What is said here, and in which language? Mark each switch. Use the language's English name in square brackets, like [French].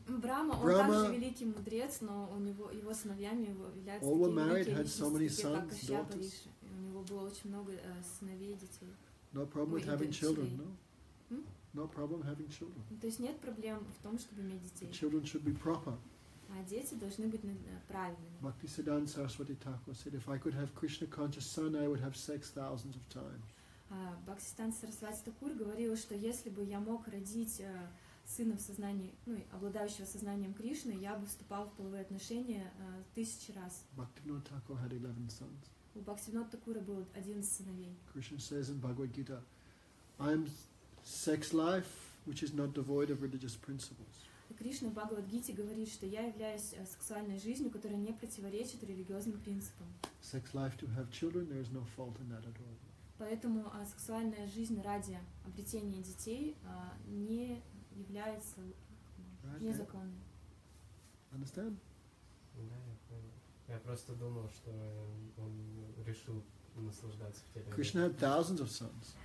[Russian] Brahma, он также великий мудрец, но у него его сыновьями являются. [English] All were married, had so many sons, daughters. [Russian] У него было очень много сыновей, детей. [English] No problem with having children, no. No problem having children. [Russian] То есть нет проблем в том, чтобы иметь детей. [English] But children should be proper. [Russian] А дети должны быть правильными. [English] Bhaktisiddhanta Saraswati Thakur said, if I could have Krishna conscious son, I would have sex thousands of times. [Russian] Bhaktisiddhanta Saraswati Thakur говорил, что если бы я мог родить сына в сознании, ну, обладающего сознанием Кришны, я бы вступал в половые отношения тысячи раз. [English] Bhaktivinoda Thakur had 11 sons. [Russian] У Bhaktivinoda Thakura было 11 сыновей. [English] Krishna says in Bhagavad Gita, I'm sex life, which is not devoid of religious principles. [Russian] Кришна в Бхагавад Гите говорит, что я являюсь сексуальной жизнью, которая не противоречит религиозным принципам. [English] Sex life to have children, there is no fault in that at all. [Russian] Поэтому сексуальная жизнь ради обретения детей не является незаконной. [English] Understand? [Russian] Да, я понял. Я просто думал, что он решил наслаждаться в теле. [English] Krishna had thousands of sons.